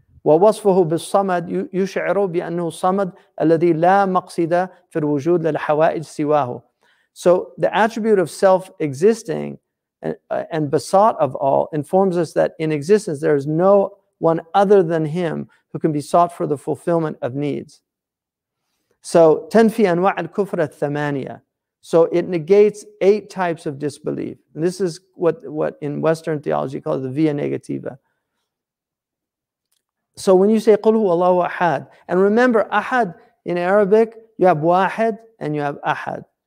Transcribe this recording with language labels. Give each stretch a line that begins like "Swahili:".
Arabic: وَوَصْفُهُ بِالصَّمَدِ يُشْعِرُ بِأَنُّهُ صَمَدْ الَّذِي لَا مَقْصِدَ فِي الْوُجُودِ لِلْحَوَائِجِ سِوَاهُ.
English: So the attribute of self-existing and basat of all informs us that in existence there is no one other than Him who can be sought for the fulfillment of needs. So
Arabic: تَنْفِي أَنْوَعَ الْكُفْرَ الثَّمَانِيَةِ.
English: So it negates eight types of disbelief. And this is what in Western theology called the via negativa. So when you say
Arabic: قُلْ هُوَ اللَّهُ أَحَدٍ,
English: and remember أَحَد in Arabic, you have واحد and you have أَحَد.